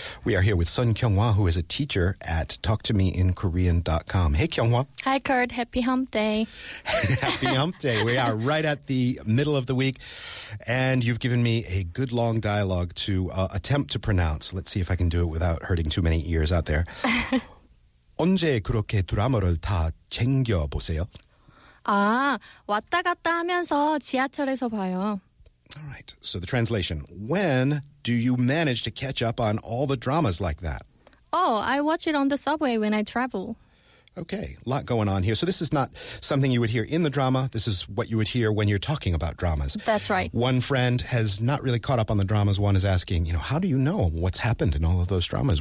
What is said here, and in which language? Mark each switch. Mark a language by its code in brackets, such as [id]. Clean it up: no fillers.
[en] We are here with Sun Kyung-hwa, who is a teacher at talktomeinkorean.com. Hey, Kyung-hwa. Hi, Kurt. Happy hump day. Happy hump day. We are right at the middle of the week, and you've given me a good long dialogue to attempt to pronounce. Let's see if I can do it without hurting too many ears out there. [ko] 언제 그렇게 드라마를 다 챙겨보세요? 아, 왔다 갔다 하면서 지하철에서 봐요. [en] All right, so the translation. When do you manage to catch up on all the dramas like that? Oh, I watch it on the subway when I travel. Okay, a lot going on here. So this is not something you would hear in the drama. This is what you would hear when you're talking about dramas. That's right. One friend has not really caught up on the dramas. One is asking, you know, how do you know what's happened in all of those dramas?